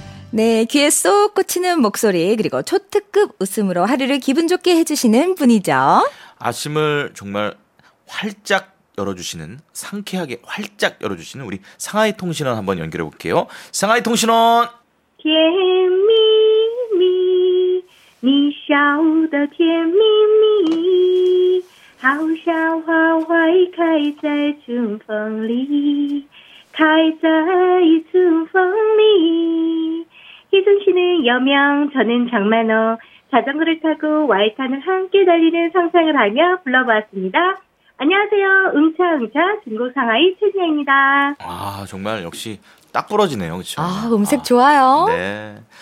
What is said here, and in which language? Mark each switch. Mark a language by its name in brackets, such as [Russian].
[Korean] 네, 귀에 쏙 꽂히는 목소리 그리고 초특급 웃음으로 하루를 기분 좋게 해주시는 분이죠. 아침을 정말 활짝 열어주시는, 상쾌하게 활짝 열어주시는 우리 상하이 통신원 한번 연결해 볼게요. 상하이 통신원. [Chinese] 甜蜜蜜, 你笑得甜蜜蜜, 好像花花开在春风里, 开在春风里. [Korean] 이승신은 여명, 저는 장만호. 자전거를 타고 와이카는 함께 달리는 상상을 하며 불러보았습니다. 안녕하세요. 응차응차 중국 상하이 최진영입니다. 아, 정말 역시 딱 부러지네요. 그렇죠? 아, 음색 좋아요. 네.